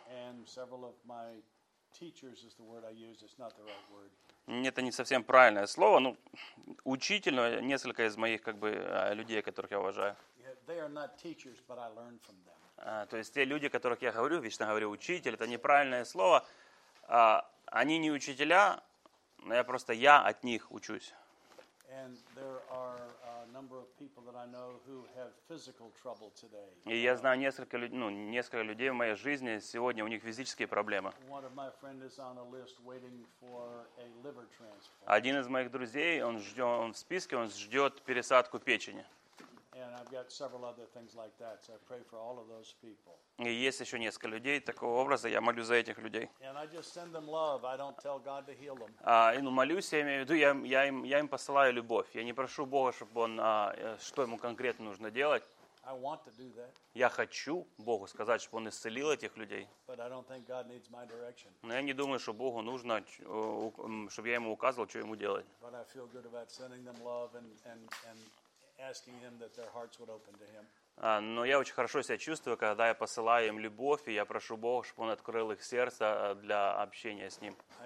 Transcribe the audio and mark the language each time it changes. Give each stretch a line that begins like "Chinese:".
English: And several of my teachers is the word I used. It's not the right word.
Russian: Это не совсем правильное слово, но учитель, но несколько из моих как бы людей, которых я уважаю.
English: They are not teachers, but I learn from them.
Russian: То есть те люди, которых я говорю, вечно говорю учитель, это неправильное слово. Они не учителя, но я от них учусь.
English: And there are number of people that I know who have physical trouble today.
Russian: И я знаю несколько людей в моей жизни сегодня, у них физические проблемы.
English: One of my friends is on a list waiting for a liver transplant.
Russian: Один из моих друзей, он ждет, он в списке, он ждет пересадку печени.
English: and I've got several other things like that. So I pray for all of those people.
Russian: И есть еще несколько людей такого образа. Я молюсь за этих людей.
English: And I just send them love. I don't tell God to heal them.
Russian: Молюсь, я имею в виду, я им посылаю любовь. Я не прошу Бога, чтобы он что ему конкретно нужно делать.
English: I want to do that.
Russian: Я хочу Богу сказать, чтобы он исцелил этих людей.
English: But I don't think God needs my direction.
Russian: Но я не думаю, что Богу нужно, чтобы я ему указывал, что ему делать.
English: But I feel good about sending them love and asking him that their hearts would open to him.
Russian: Но я очень хорошо себя чувствую, когда я посылаю им любовь, и я прошу Бога, чтобы он открыл их сердце для общения с ним.